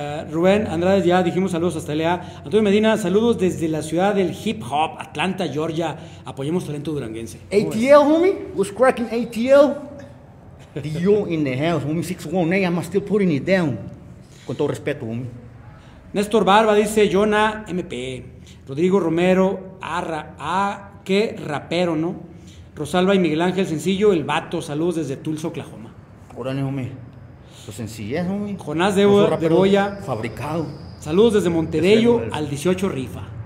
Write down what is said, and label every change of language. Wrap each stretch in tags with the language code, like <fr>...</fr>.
<es>Rubén Andrade, ya dijimos saludos hasta LA. Antonio Medina, saludos desde la ciudad del hip hop, Atlanta, Georgia. Apoyemos talento duranguense.</es> <en>ATL, ves? Homie. Who's cracking ATL? The yo in the house, homie, 618, I'm still putting it down.</en> <es>Con todo respeto, homie. Néstor Barba dice, Jonah MP. Rodrigo Romero, arra, qué rapero, ¿no? Rosalba y Miguel Ángel Sencillo, El Vato, saludos desde Tulsa, Oklahoma. Órale, homie. Los sencillos, homie. Jonás de Boya. Fabricado. Saludos desde Monterrey, al 18 Rifa.</es>